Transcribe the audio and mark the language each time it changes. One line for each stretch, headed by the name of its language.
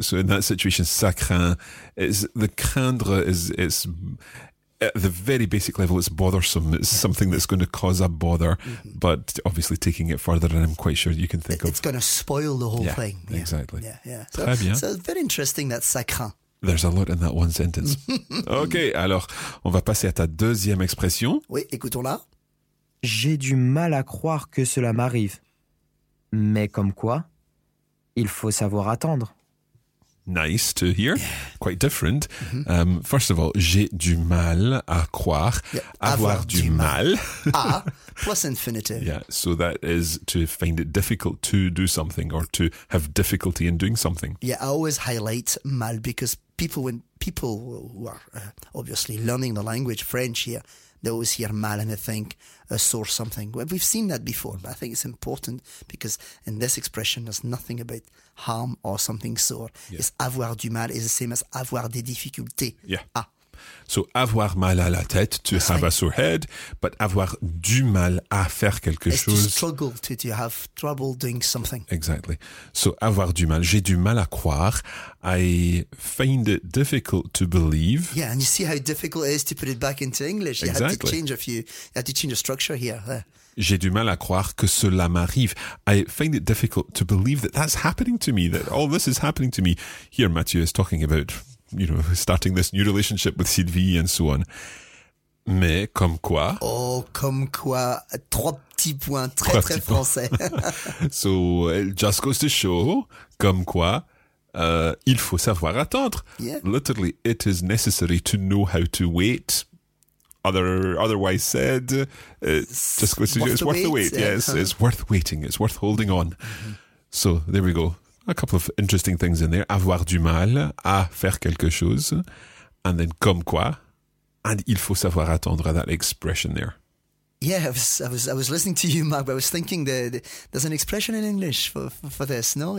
English: So in that situation, ça craint, the craindre is at the very basic level, it's bothersome, it's something that's going to cause a bother, but obviously taking it further, and I'm quite sure you can think it's going to spoil the whole thing. Yeah, exactly. Yeah, yeah. So very interesting that ça craint. There's a lot in that one sentence.
French: OK, alors, on va passer à ta deuxième expression. Oui, écoutons-la. J'ai du mal à croire que cela m'arrive. Mais comme quoi, il faut savoir attendre.
English: Nice to hear. Quite different. Mm-hmm.
French: First of all, j'ai du mal à croire. Yeah, avoir du mal.
English: plus infinitive. Yeah, so that is to find it difficult to do something or to have difficulty in doing something. Yeah, I always highlight mal because people who are obviously learning the language, French here, they always hear mal and they think a sore something. We've seen that before, but I think it's important because in this expression, there's nothing about harm or something sore. Yeah. It's
French: avoir du mal
English: is the same as
French: avoir des difficultés.
English: Yeah. Ah.
French: So avoir mal à la tête,
English: a sore head, but
French: avoir du mal à faire quelque
English: it's
French: chose.
English: To struggle, to have trouble doing something. Exactly.
French: So avoir du mal, j'ai du mal à croire.
English: I find it difficult to believe. Yeah, and you see how difficult it is to put it back into English. Exactly. You have to change the structure here.
French: J'ai du mal à croire que cela m'arrive.
English: I find it difficult to believe that that's happening to me, that all this is happening to me. Here Mathieu is talking about... you know, starting this new relationship with Sylvie and so on.
French: Mais comme quoi? Oh, comme quoi? Trois petits points, très, trois très petits français.
English: So it just goes to show,
French: comme quoi, il faut savoir attendre.
English: Yeah. Literally, it is necessary to know how to wait. Otherwise said, it's worth the wait. Yeah. Yes, it's worth waiting. It's worth holding on. Mm-hmm. So there we go. A couple of interesting things in there.
French: Avoir du mal à faire quelque chose.
English: And then comme quoi. And
French: il faut savoir attendre,
English: that expression there. Yeah, I was listening to you, Mark, but I was thinking there's an expression in English for this, no?